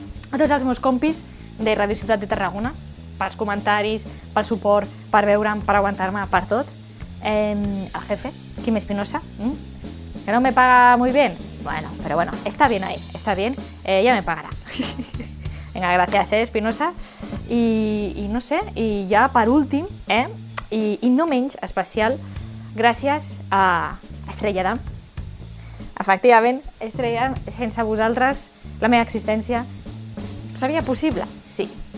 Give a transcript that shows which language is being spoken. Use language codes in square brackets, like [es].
[ca] A tots els meus compis de Radio Ciutat de Tarragona, pels comentaris, pel suport, per veure'm, per aguantar-me, per tot. [es] El jefe, Quim Espinosa, que no me paga muy bien. Bueno, pero bueno, está bien ahí, está bien, ya me pagará. [ca] Vinga, gràcies, Espinosa. I no sé, i ja per últim, i no menys especial, gràcies a Estrella Damm. Efectivament, Estrella, sense vosaltres, la meva existència seria possible, sí.